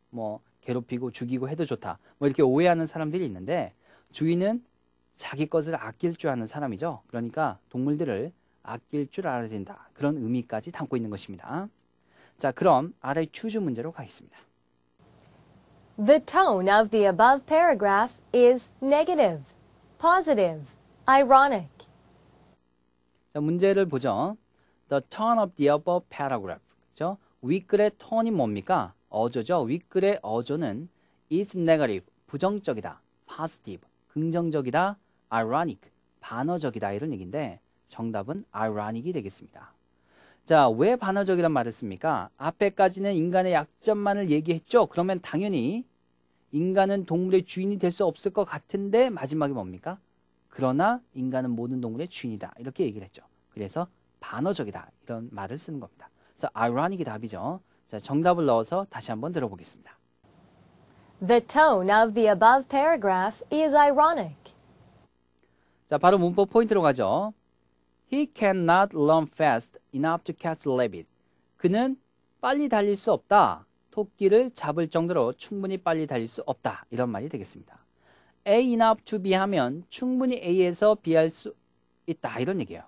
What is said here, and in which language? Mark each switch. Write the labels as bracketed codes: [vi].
[ko] 뭐 괴롭히고 죽이고 해도 좋다. 뭐 이렇게 오해하는 사람들이 있는데 주인은 자기 것을 아낄 줄 아는 사람이죠. 그러니까 동물들을 아낄 줄 알아야 된다. 그런 의미까지 담고 있는 것입니다. 자, 그럼 아래 추주 문제로 가겠습니다. [en] The tone of the above paragraph is negative, positive, ironic. 자, 문제를 보죠. The tone of the above paragraph. 그렇죠? [ko] 윗글의 톤이 뭡니까? 어조죠. 윗글의 어조는 [en] is negative, [ko] 부정적이다, positive, 긍정적이다, ironic, 반어적이다 이런 얘기인데 정답은 ironic이 되겠습니다. 자, 왜 반어적이란 말을 씁니까? 앞에까지는 인간의 약점만을 얘기했죠? 그러면 당연히 인간은 동물의 주인이 될 수 없을 것 같은데 마지막이 뭡니까? 그러나 인간은 모든 동물의 주인이다 이렇게 얘기를 했죠. 그래서 반어적이다 이런 말을 쓰는 겁니다. 그래서 ironic이 답이죠. 자, 정답을 넣어서 다시 한번 들어보겠습니다. [en] The tone of the above paragraph is ironic. [ko] 자, 바로 문법 포인트로 가죠. [en] He cannot run fast enough to catch rabbit. [ko] 그는 빨리 달릴 수 없다. 토끼를 잡을 정도로 충분히 빨리 달릴 수 없다. 이런 말이 되겠습니다. [en] A enough to B [ko] 하면 충분히 A에서 B 할 수 있다. 이런 얘기예요.